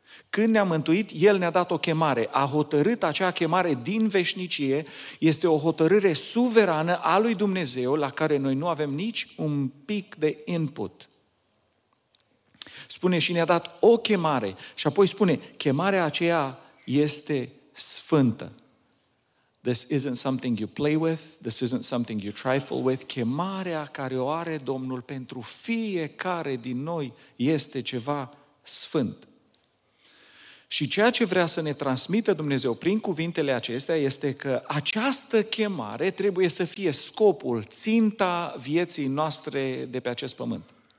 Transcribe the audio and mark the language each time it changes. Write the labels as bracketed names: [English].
[Romanian] Când ne-a mântuit, El ne-a dat o chemare. A hotărât acea chemare din veșnicie, este o hotărâre suverană a lui Dumnezeu, la care noi nu avem nici un pic de input. Spune și ne-a dat o chemare. Și apoi spune, chemarea aceea este sfântă. [English] This isn't something you play with, this isn't something you trifle with. [Romanian] Chemarea care o are Domnul pentru fiecare din noi este ceva sfânt. Și ceea ce vrea să ne transmită Dumnezeu prin cuvintele acestea este că această chemare trebuie să fie scopul, ținta vieții noastre de pe acest pământ.